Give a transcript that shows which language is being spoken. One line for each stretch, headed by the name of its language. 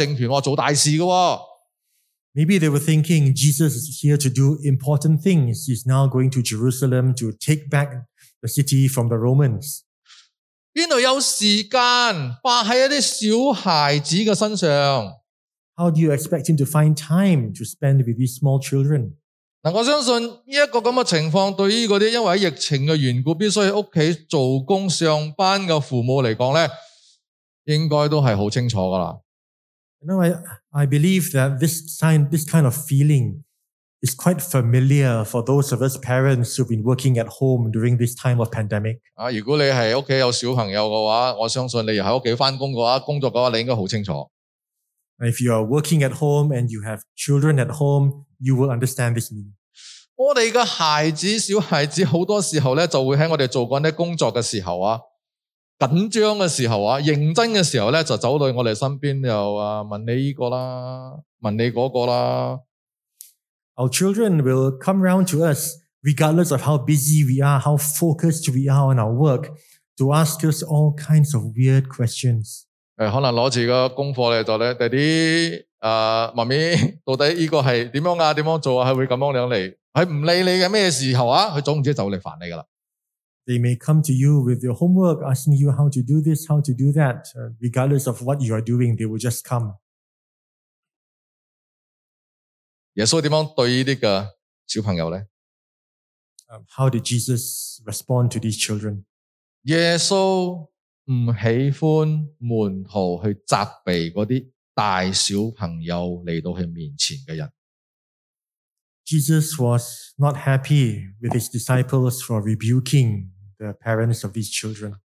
Chinese: 很可能对门徒来说，耶稣是做大事的人，他现在去耶路撒冷，他要从罗马的政府手中拿回政权，做大事的。
English: Maybe they were thinking Jesus is here to do important things. He's now going to Jerusalem to take back the city from the Romans.
Chinese: 哪里有时间花在一些小孩子的身上？
English: How do you expect him to find time to spend with these small children?
Chinese: 我相信这个情况对于那些因为疫情的缘故必须在家做工上班的父母来说，应该都是很清楚的了。
English: I believe that this kind of feeling is quite familiar for those of us parents who've been working at home during this time of pandemic. If you are working at home and you have children at home, you will understand this meaning.
Chinese: 我們的孩子、小孩子很多時候就會在我們做工作的時候緊張的時候就走到我們身邊問你這個啦問你那個啦
English: Our children will come round to us regardless of how busy we are, how focused we are on our work, to ask us all kinds of weird questions.
Chinese: 可能拿著功課就說爹地 媽咪,到底這個是怎樣啊,怎樣做啊,會這樣來。不理你的什麼時候啊,他總之就來煩你了。
English: They may come to you with your homework, asking you how to do this, how to do that. Regardless of what you are doing, they will just come.
Chinese: 耶穌怎樣對這些小朋友呢?
English: How did Jesus respond to these children?
Chinese: 耶穌不喜歡門徒去責備那些
English: Jesus was not happy with his disciples for rebuking the parents of these children.